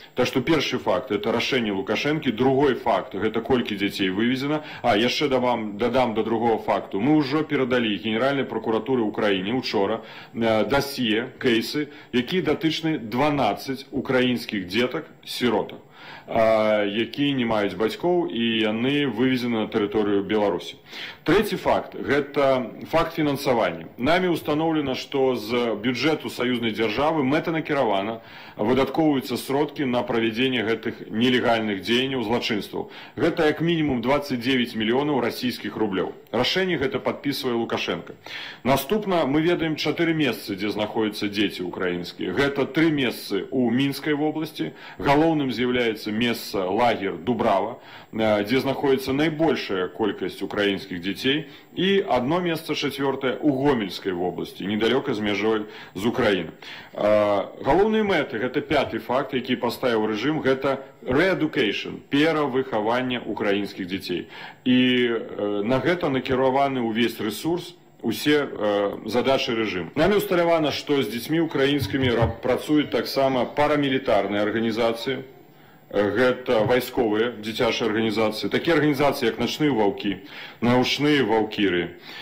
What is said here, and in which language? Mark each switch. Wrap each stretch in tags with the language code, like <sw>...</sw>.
<ru>Так что первый факт – это решение Лукашенко. Другой факт – это сколько детей вывезено. А, я еще додам до другого факта. Мы уже передали Генеральной прокуратуре Украины учора досье, кейсы, которые дотычны 12 украинских деток-сиротов.</ru> <be>якія не маюць бацькоў і яны вывезены на тэрыторыю Беларусі. Трэці факт – гэта факт фінансавання. Намі ўстаноўлена, што з бюджэту саюзнай дзяржавы мэтанакіравана выдаткоўваюцца сродкі на правядзенне гэтых нелегальных дзеянняў злачынстваў. Гэта як мінімум 29 мільёнаў расійскіх рублёў. Рашэнне гэта падпісвае Лукашэнка. Наступна мы ведаем 4 месцы, дзе знаходзяцца дзеці ўкраінскія. Гэта 3 месцы ў Мінскай вобласці. Галоўным з'яўляецца месца лагер Дубрава, дзе знаходзіцца найбольшая колькасць украінскіх дзяцей, і адно месца чацвёртае ў Гомельскай вобласці, недалёка з мяжой з Украіны. Галоўныя мэты, гэта 5-ы факт, які паставіў рэжым, гэта re-education, перавыхаванне украінскіх дзяцей. І на гэта накіраваны ўвесь ресурс, усе задачы рэжыму. Намі ўсталявана, што з дзецьмі украінскімі працуюць таксама парамілітарныя арганізацыі. Гэта вайсковыя дзіцячыя арганізацыі, такія арганізацыі, як начныя ваўкі, наўшныя ваўкіры.</be>